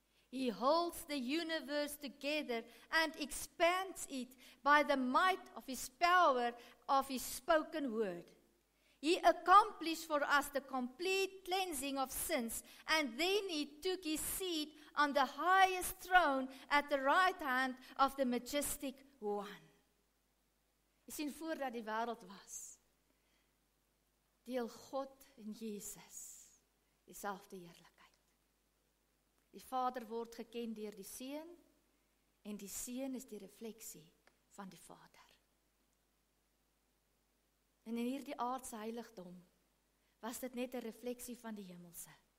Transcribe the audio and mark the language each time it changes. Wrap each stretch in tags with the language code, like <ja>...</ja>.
<en>He holds the universe together and expands it by the might of his power of his spoken word. He accomplished for us the complete cleansing of sins, and then he took his seat on the highest throne at the right hand of the majestic one.</en> <af>Jy sien, voordat die wereld was, deel God en Jesus dieselfde heerlijkheid. Die Vader word geken deur die Seun, en die Seun is die refleksie van die Vader. En in hierdie aardse heiligdom, was dit net 'n refleksie van die hemelse.</af>